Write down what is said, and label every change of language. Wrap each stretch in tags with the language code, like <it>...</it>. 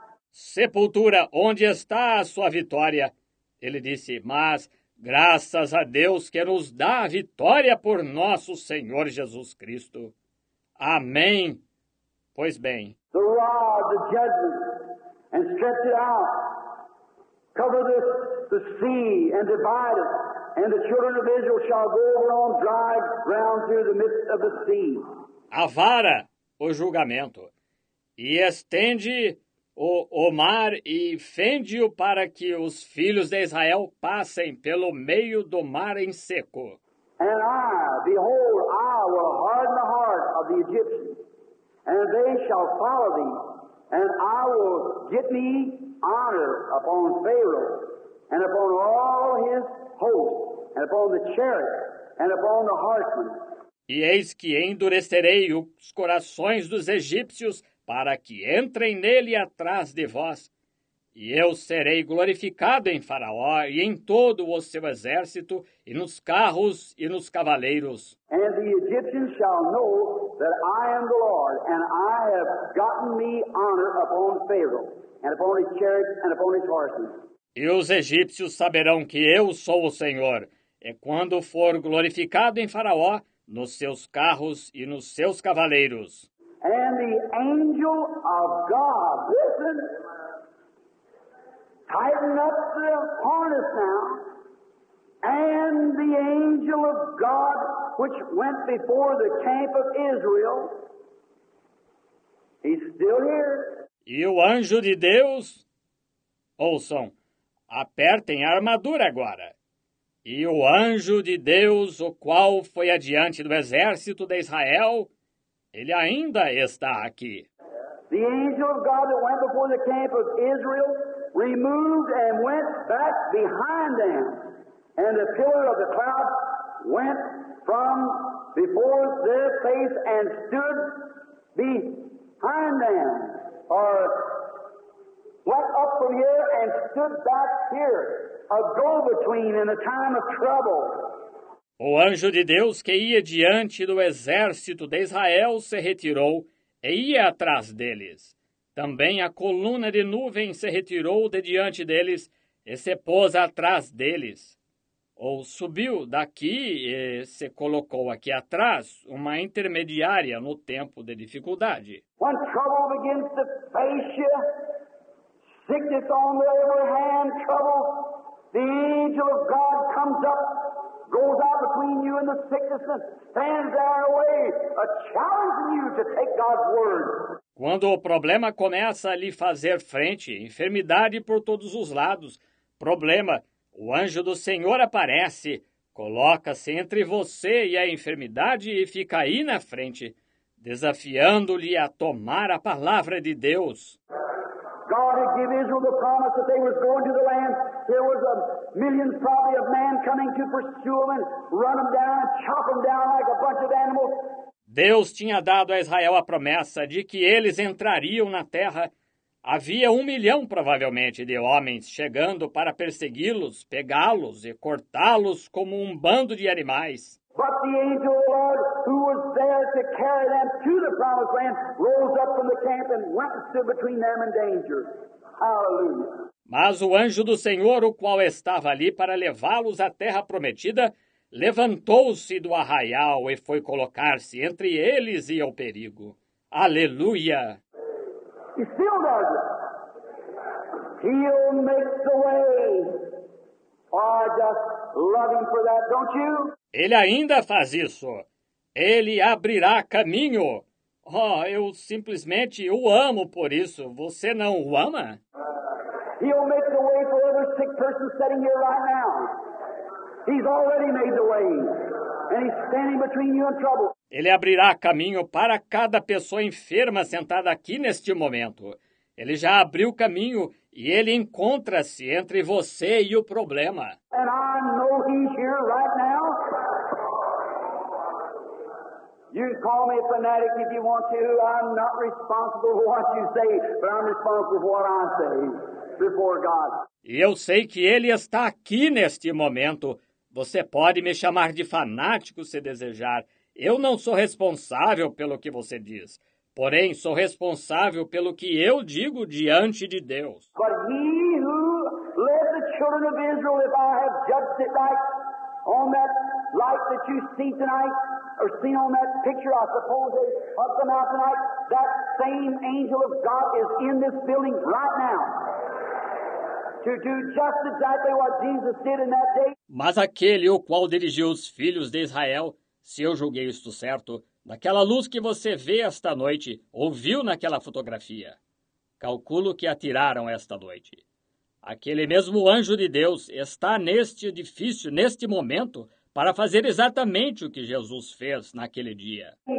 <pt>Sepultura, onde está a sua vitória? Ele disse, mas graças a Deus que nos dá a vitória por nosso Senhor Jesus Cristo. Amém. Pois bem.</pt> <en>The rod, the judgment, and stretch it out. Cover the sea and divide it, and the children of Israel shall go over on dry ground through the midst of the sea.</en> <pt>A vara, o julgamento, e estende o mar e fende-o para que os filhos de Israel passem pelo meio do mar em seco.</pt> <en>And I, behold, I will harden the heart of the Egyptians. And they shall follow thee, and I will get me honor upon Pharaoh, and upon all his host, and upon the chariot, and upon the horsemen.</en> <pt>E eis que endurecerei os corações dos egípcios, para que entrem nele atrás de vós. E eu serei glorificado em Faraó, e em todo o seu exército, e nos carros, e nos cavaleiros.</pt> <en>And the Egyptians shall know that I am the Lord, and I have gotten me honor upon Pharaoh, and upon his chariots, and upon his horses.</en> <pt>E os egípcios saberão que eu sou o Senhor, e quando for glorificado em Faraó, nos seus carros e nos seus cavaleiros.</pt> <en>And the angel of God, listen, tighten up the harness now, and the angel of God, which went before the camp of Israel, he's still here.</en> <pt>E o anjo de Deus, ouçam, apertem a armadura agora. E o anjo de Deus, o qual foi adiante do exército de Israel, ele ainda está aqui.</pt> <en>The angel of God that went before the camp of Israel removed and went back behind them. And the pillar of the cloud went from before their face and stood behind them, or went up from here and stood back here, a go-between in a time of trouble.</en> <pt>O anjo de Deus que ia diante do exército de Israel se retirou e ia atrás deles. Também a coluna de nuvem se retirou de diante deles e se pôs atrás deles. Ou subiu daqui e se colocou aqui atrás, uma intermediária no tempo de dificuldade. Quando a</pt> <en>trouble begins to face you, sickness on the other hand, trouble, the angel of God comes up, goes out between you and the sickness and stands there away, challenging you to take God's word.</en> <pt>Quando o problema começa a lhe fazer frente, enfermidade por todos os lados, problema, o anjo do Senhor aparece, coloca-se entre você e a enfermidade e fica aí na frente, desafiando-lhe a tomar a palavra de Deus.</pt> <en>God had given Israel the promise that they was going to the land. There was a million probably of man coming to pursue them and run them down and chop them down like a bunch of animals.</en> <pt>Deus tinha dado a Israel a promessa de que eles entrariam na terra. Havia 1 milhão, provavelmente, de homens chegando para persegui-los, pegá-los e cortá-los como um bando de animais.</pt> <en>But the angel of the Lord, who was there to carry them to the promised land, rose up from the camp and went and stood between them and danger. Hallelujah.</en> <pt>Mas o anjo do Senhor, o qual estava ali para levá-los à terra prometida, levantou-se do arraial e foi colocar-se entre eles e o perigo. Aleluia!</pt> <en>He still does it. He'll make the way. Oh, I just love him for that, don't you?</en> <pt>Ele ainda faz isso. Ele abrirá caminho. Oh, eu simplesmente o amo por isso. Você não o ama?</pt> <en>He'll make the way for every sick person sitting here right now. He's already made the way, and he's standing between you and trouble.</en> <pt>Ele abrirá caminho para cada pessoa enferma sentada aqui neste momento. Ele já abriu caminho e ele encontra-se entre você e o problema.</pt> <en>And I know he's here right now. You can call me a fanatic if you want to. I'm not responsible for what you say, but I'm responsible for what I say before God.</en> <pt>E eu sei que ele está aqui neste momento. Você pode me chamar de fanático se desejar. Eu não sou responsável pelo que você diz. Porém, sou responsável pelo que eu digo diante de Deus.</pt> <en>But he who led the children of Israel, if I have judged it right, on that light that you see tonight, or seen on that picture, I suppose, of the mouth tonight, that same angel of God is in this building right now. To do just exactly what Jesus did in that day.</en> <pt>Mas aquele o qual dirigiu os filhos de Israel, se eu julguei isto certo, daquela luz que você vê esta noite, ouviu naquela fotografia, calculo que atiraram esta noite. Aquele mesmo anjo de Deus está neste edifício, neste momento, para fazer exatamente o que Jesus fez naquele dia.</pt>